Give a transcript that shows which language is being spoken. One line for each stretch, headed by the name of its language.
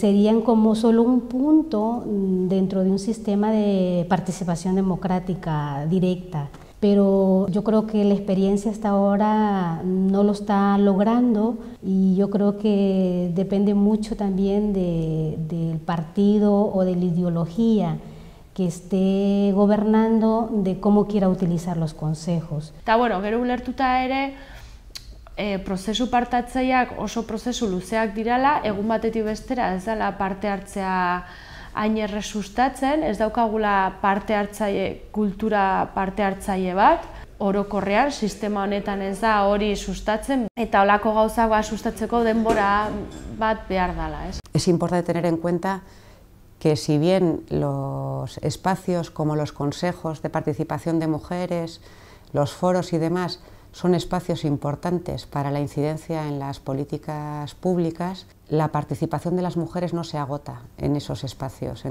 Spanish: Serían como solo un punto dentro de un sistema de participación democrática directa, pero yo creo que la experiencia hasta ahora no lo está logrando, y yo creo que depende mucho también del partido o de la ideología que esté gobernando de cómo quiera utilizar los consejos.
Basque: Ta bueno, gero ulertuta ere prozesu parte hartzaileak oso prozesu luzeak dirala, egun batetik bestera ez dela parte hartzea hain erresustatzen, ez daukagula parte hartzaile kultura parte hartzaile bat. Orokorrean sistema honetan ez da hori sustatzen eta holako gauzak ba sustatzeko denbora bat behar dala, ez?
Spanish: Es importante tener en cuenta que si bien los espacios como los consejos de participación de mujeres, los foros y demás son espacios importantes para la incidencia en las políticas públicas, la participación de las mujeres no se agota en esos espacios.